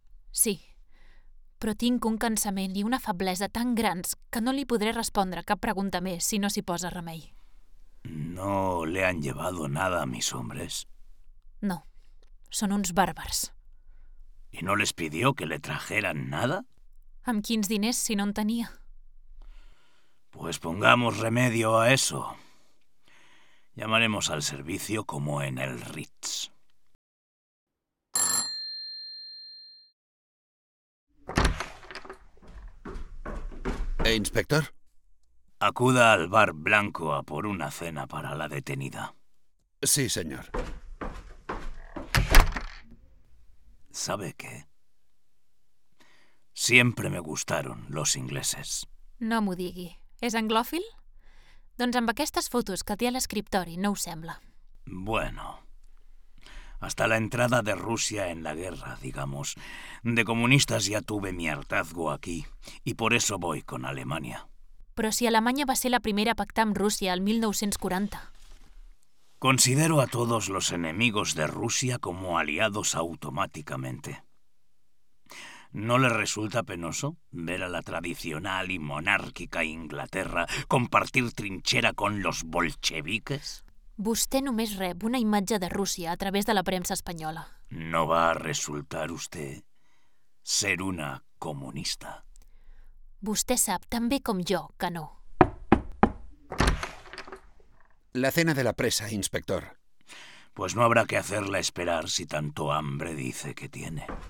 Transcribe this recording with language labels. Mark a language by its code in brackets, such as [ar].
[ca] Sí, però tinc un cansament i una feblesa tan grans que no li podré respondre cap pregunta més si no s'hi posa remei. [es] ¿No le han llevado nada a mis hombres? [ca] No. Són uns bàrbars. [es] ¿Y no les pidió que le trajeran nada? [ca] ¿Amb quins diners si no en tenia? [es] Pues pongamos remedio a eso. Llamaremos al servicio como en el Ritz. ¿Inspector? Acuda al bar Blanco a por una cena para la detenida. Sí, señor. ¿Sabe qué? Siempre me gustaron los ingleses. [ca] No m'ho digui. ¿És anglòfil? Doncs amb aquestes fotos que té a l'escriptori no ho sembla. [es] Bueno, hasta la entrada de Rusia en la guerra, digamos. De comunistas ya tuve mi hartazgo aquí y por eso voy con Alemania. [ca] Però si Alemanya va ser la primera a pactar amb Rússia el 1940. [es] Considero a todos los enemigos de Rusia como aliados automáticamente. ¿No le resulta penoso ver a la tradicional y monárquica Inglaterra compartir trinchera con los bolcheviques? [ca] Vostè només rep una imatge de Rússia a través de la premsa espanyola. [es] ¿No va a resultar usted ser una comunista? [ca] Vostè sap tan bé com jo que no. [es] La cena de la presa, inspector. Pues no habrá que hacerla esperar si tanto hambre dice que tiene.